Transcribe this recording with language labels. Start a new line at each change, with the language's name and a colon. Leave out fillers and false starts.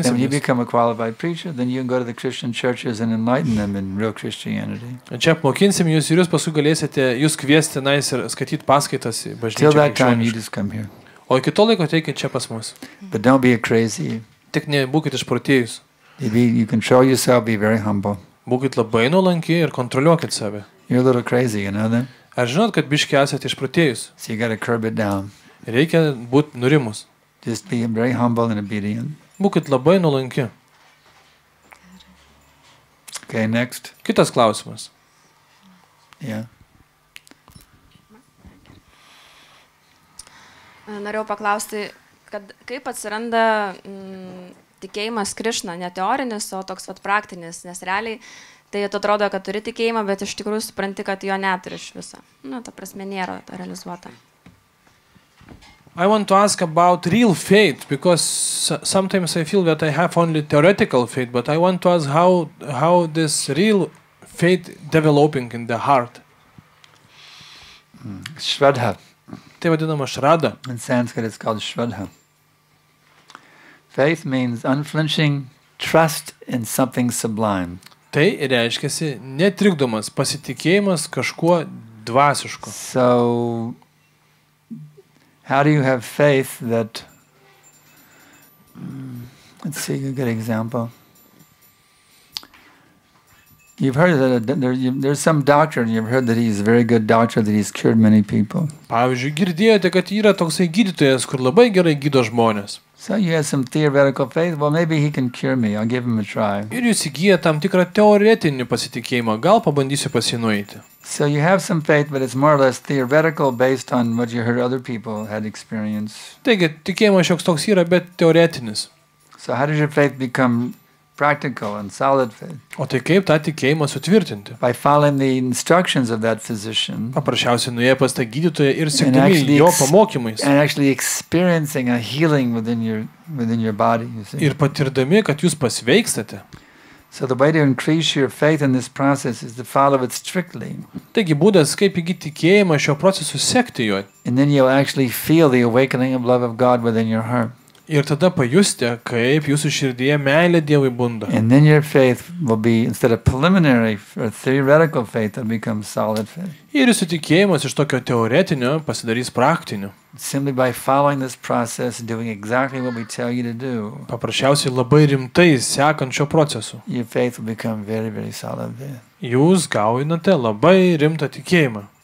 English: become a qualified preacher, then you can go to the Christian churches and enlighten them in real Christianity.
Lithuanian: Čia apmokinsim jūs ir jūs paskui galėsite jūs kviesti tenais ir skaityti paskaitas į bažnyčią.
English: Till that time, you just come here.
Lithuanian: O iki to laiko ateikit čia pas mus.
English: But don't be crazy.
Lithuanian: Tik nebūkit išprotėjus.
English: You can show yourself, be very humble.
Lithuanian: Būkit labai nuolankiai ir kontroliuokit save.
English: You're a little crazy, you know that?
Lithuanian: Ar žinot, kad biškį esate išprotėjus?
English: So you gotta curb it down.
Lithuanian: Reikia būti nurimus.
English: Just be very humble and obedient.
Lithuanian: Būkit labai nuolanki.
English: Okay, next.
Lithuanian: Kitas klausimas.
English: Yeah.
Lithuanian: Norėjau paklausti, kad kaip atsiranda tikėjimas Krishna, ne teorinis, o toks vat praktinis, nes realiai tai atrodo, kad turi tikėjimą, bet iš tikrųjų supranti, kad jo neturi iš viso. Nu, ta prasme, nėra ta realizuota.
English: I want to ask about real faith, because sometimes I feel that I have only theoretical faith, but I want to ask how this real faith developing in the heart. Shraddha.
Lithuanian: Tai vadinama shraddha.
English: In Sanskrit it's called shraddha. Faith means unflinching trust in something sublime.
Lithuanian: Tai reiškia netrikdomas pasitikėjimas kažkuo dvasišku.
English: So how do you have faith that let's see a good example. You've heard that there's some doctor and you've heard that he's a very good doctor that he's cured many people.
Lithuanian: Pavyzdžiui, girdėjote, kad yra toksai gydytojas, kur labai gerai gydo žmonės.
English: So you have some theoretical faith, well maybe he can cure me. I'll give him a try.
Lithuanian: Ir jūs įgyjate tam tikrą teoretinį pasitikėjimą, gal pabandysiu pas jį nueiti.
English: So you have some faith, but it's more or less theoretical based on what you heard other people had experienced.
Lithuanian: Taigi, tikėjimas šioks toks yra, bet teoretinis.
English: So how does your faith become practical and solid faith?
Lithuanian: O tai kaip tą tikėjimą sutvirtinti?
English: By following the instructions of that physician.
Lithuanian: Paprasčiausiai nuėję pas tą gydytoją ir sekdami jo pamokymais.
English: And actually experiencing a healing within your body, you see.
Lithuanian: Ir patirdami, kad jūs pasveikstate.
English: So the way to increase your faith in this process is to follow it strictly.
Lithuanian: Taigi būdas, kaip įgyti tikėjimą šio procesu, sekti juo.
English: And then you'll actually feel the awakening of love of God within your heart.
Lithuanian: Ir tada pajusite, kaip jūsų širdyje meilė Dievui bunda.
English: And then your faith will be instead of preliminary or theoretical faith, it becomes solid faith.
Lithuanian: Ir jūsų tikėjimas iš tokio teoretinio pasidarys praktiniu.
English: Simply by following this process and doing exactly what we tell you to do.
Lithuanian: Paprasčiausiai labai rimtai sekant šio procesu.
English: Your faith will become very, very solid there.
Lithuanian: Jūs gaunate labai rimtą tikėjimą.